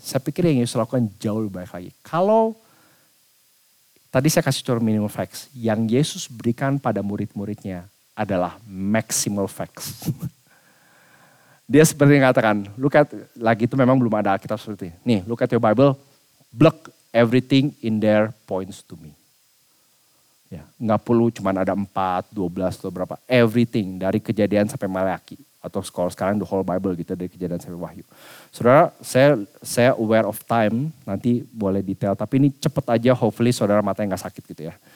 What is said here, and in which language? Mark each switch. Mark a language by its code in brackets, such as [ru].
[id] Saya pikir yang Yesus lakukan jauh lebih baik lagi. Kalau tadi saya kasih contoh minimal facts, yang Yesus berikan pada murid-muridnya adalah maximal facts. Dia seperti yang katakan, [en] look at, [id] lagi itu memang belum ada Alkitab seperti ini. Nih, [en] look at your Bible, block everything in there points to me. [id] Ya, gak perlu cuman ada 4, 12 atau berapa, [en] everything [id] dari kejadian sampai Maleakhi. Atau kalau sekarang [en] the whole Bible [id] gitu, dari kejadian sampai Wahyu. Saudara, saya [en] aware of time, [id] nanti boleh detail, tapi ini cepet aja, [en] hopefully [id] saudara matanya gak sakit gitu ya.